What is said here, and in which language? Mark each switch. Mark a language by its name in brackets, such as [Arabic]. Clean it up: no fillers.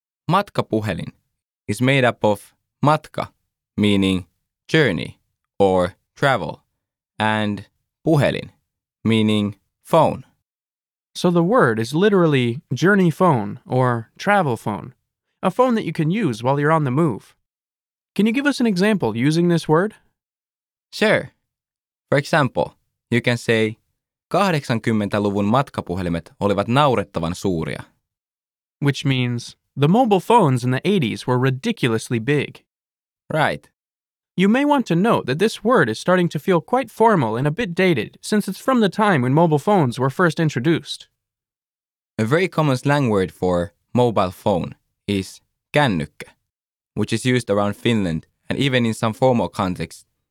[English] Matkapuhelin is made up of matka, meaning journey or travel, and puhelin, meaning phone. So the word is literally journey phone or travel phone, a phone that you can use while you're on the move. Can you give us an example using this word? Sure. For example, you can say [Finnish] 80-luvun matkapuhelimet olivat naurettavan suuria. [English] Which means, the mobile phones in the 80s were ridiculously big. Right. You may want to note that this word is starting to feel quite formal and a bit dated, since it's from the time when mobile phones were first introduced. A very common slang word for mobile phone is kännykkä, which is used around Finland and even in some formal contexts.